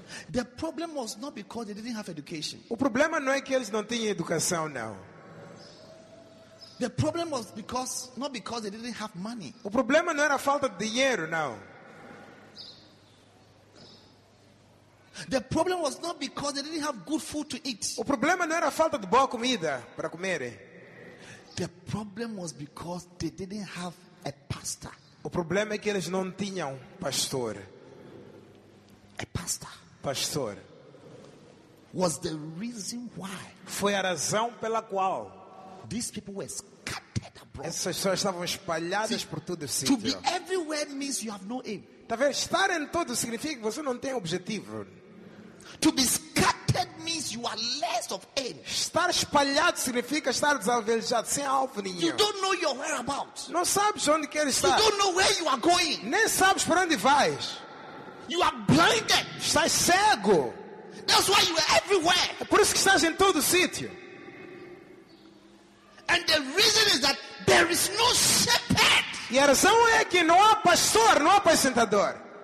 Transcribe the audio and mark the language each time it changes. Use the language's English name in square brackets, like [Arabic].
[English] The problem was not because they didn't have education. [Portuguese] O problema não é que eles não tinham educação, não. [English] The problem was because not because they didn't have money. [Portuguese] O problema não era a falta de dinheiro, não. [English] The problem was not because they didn't have good food to eat. [Portuguese] O problema não era a falta de boa comida para comer. [English] The problem was because they didn't have a pastor. [Portuguese] O problema é que eles não tinham pastor. [English] A pastor. [Portuguese] Pastor. [English] Was the reason why. [Portuguese] Foi a razão pela qual. [English] These people were scattered abroad. [Portuguese] Essas pessoas estavam espalhadas. [English] See, [Portuguese] por todo o sítio. [English] To be everywhere means you have no aim. [Portuguese] Tá vendo? Estar em todo significa que você não tem objetivo. [English] To be scattered means you are less of aim. [Portuguese] Estar espalhado significa estar desalvejado, sem alvo nenhum. [English] You don't know your whereabouts. [Portuguese] Não sabes onde quer estar. [English] You don't know where you are going. [Portuguese] Nem sabes para onde vais. [English] You are blinded. [Portuguese] Estás cego. [English] That's why you are everywhere. [Portuguese] É por isso que estás em todo o sítio. [English] And the reason is that there is no shepherd. [Portuguese] E a razão é que não há pastor, não há apacentador.